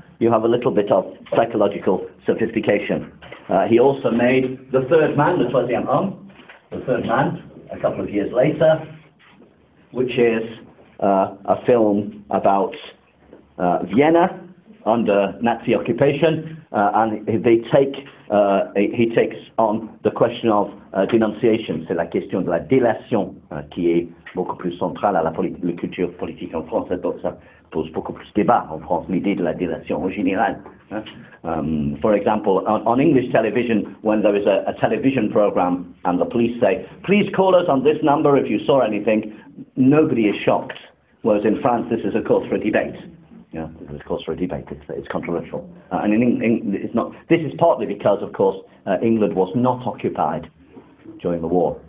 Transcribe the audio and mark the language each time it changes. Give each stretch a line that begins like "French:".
English: You have a little bit of psychological sophistication. He also made The Third Man, Le Troisième Homme, The Third Man, a couple of years later, which is a film about Vienna under Nazi occupation, and he takes on the question of denunciation.
French: C'est la question de la délation qui est beaucoup plus centrale à la culture politique en France. Donc ça pose beaucoup plus débat en France, l'idée de la délation en général.
English: For example, on English television, when there is a television program and the police say, please call us on this number if you saw anything, nobody is shocked. Whereas in France, this is a cause for a debate. Yeah, this is a cause for a debate. It's controversial. And it's not. This is partly because, of course, England was not occupied during the war.